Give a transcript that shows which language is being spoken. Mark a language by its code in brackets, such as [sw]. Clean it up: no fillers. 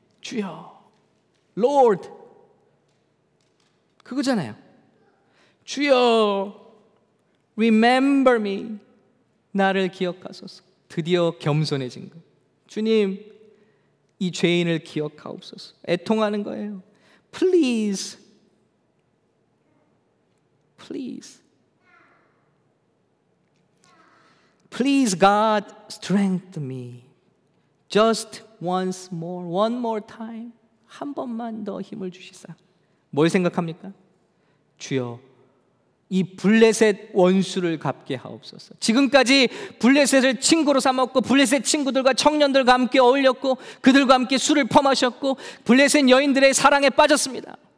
[ko] 주여, Lord, 그거잖아요. 주여, [en] remember me, [ko] 나를 기억하소서. 드디어 겸손해진 거. 주님, 이 죄인을 기억하옵소서. 애통하는 거예요. [en] Please, please, please, God, strengthen me. Just once more, one more time. [ko] 한 번만 더 힘을 주시사. 뭘 생각합니까? 주여, 이 블레셋 원수를 갚게 하옵소서. 지금까지 블레셋을 친구로 삼았고 블레셋 친구들과 청년들과 함께 어울렸고 그들과 함께 술을 퍼마셨고 블레셋 여인들의 사랑에 빠졌습니다.